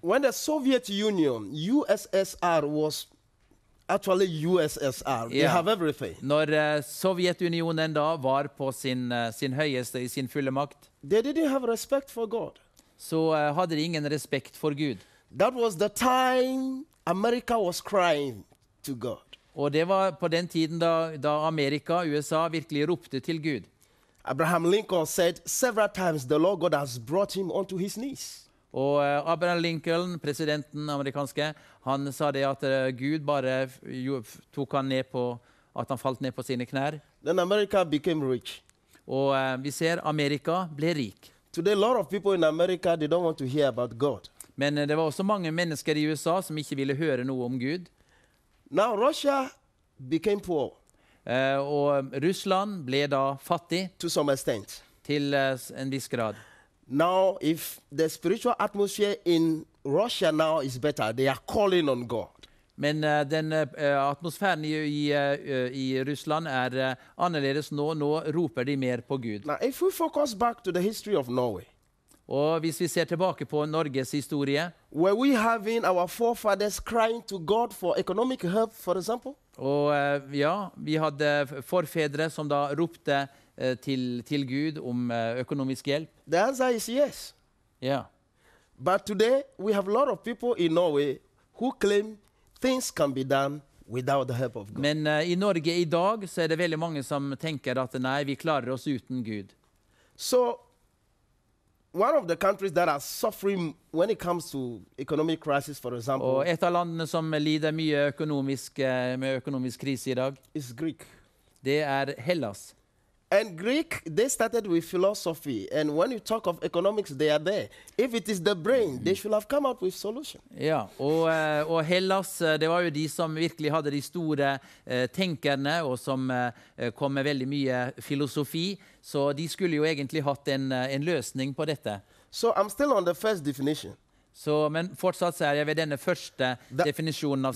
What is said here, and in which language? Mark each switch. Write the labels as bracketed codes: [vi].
[en] When the Soviet Union, USSR was actually USSR. Yeah. They have everything. [no] Når Sovjetunionen da var på sin høyeste i sin fulle makt. [en] They didn't have respect for God. [no] Så hadde de ingen respekt for Gud. [en] That was the time America was crying to God. [no] Og det var på den tiden da Amerika, USA, virkelig ropte til Gud. [en] Abraham Lincoln said several times the Lord God has brought him onto his knees. [no] Og Abraham Lincoln, presidenten amerikanske, han sa det at Gud bare tok han ned på, at han falt ned på sine knær. [en] Then America became rich. [no] Og vi ser Amerika ble rik. [en] Today a lot of people in America, they don't want to hear about God. [no] Men det var også mange mennesker i USA som ikke ville høre noe om Gud. [en] Now Russia became poor. [no] Og Russland ble da fattig. [en] To some extent. [no] Til en viss grad. [en] Now if the spiritual atmosphere in Russia now is better, they are calling on God. [no] Men den atmosfæren i Russland er annerledes nå. Nå roper de mer på Gud. [en] Now if we focus back to the history of Norway. [no] Og hvis vi ser tilbake på Norges historie, [en] where we have in our forefathers crying to God for economic help, for example. [no] Og ja, vi hadde forfedre som da ropte til Gud om økonomisk hjelp. [en] The answer is yes. Yeah. But today we have a lot of people in Norway who claim things can be done without the help of God. [no] Men i Norge i dag så er det veldig mange som tenker at nei, vi klarer oss uten Gud. [en] So one of the countries that are suffering when it comes to economic crisis, for example. [no] Og et av landene som lider mye økonomisk krise i dag. [en] Is Greek. [no] Det er Hellas. [en] And Greek, they started with philosophy. And when you talk of economics, they are there. If it is the brain, they should have come out with solution. [no] Ja, og Hellas, det var jo de som virkelig hadde de store tenkerne, og som kom med veldig mye filosofi. Så de skulle jo egentlig hatt en løsning på dette. [en] So I'm still on the first definition. [no] Men fortsatt så er jeg ved denne første definisjonen av